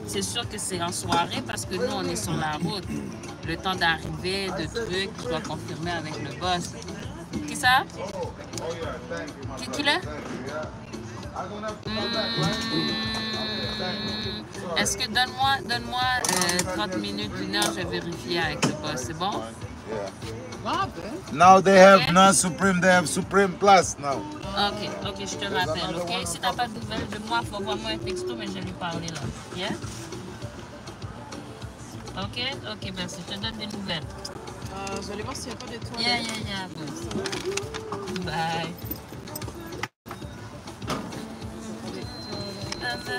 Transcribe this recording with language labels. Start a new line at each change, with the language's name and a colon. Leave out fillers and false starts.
French: C'est sûr que c'est en soirée parce que nous, on est sur la route. Le temps d'arriver, de trucs, je dois confirmer avec le boss. Qui ça? Qui l'est? Est-ce que donne-moi 30 minutes, une heure, je vais vérifier avec le boss, c'est bon?
English: Now they have non Supreme, they have Supreme Plus now.
French: Ok, je te rappelle, ok? Si t'as pas de nouvelles de moi, faut voir moi un texto, mais je vais lui parler là.
English: Yeah?
French: Ok, merci, je te donne des nouvelles. Je vais aller voir s'il n'y a pas de toilettes.
English: Yeah. Bye.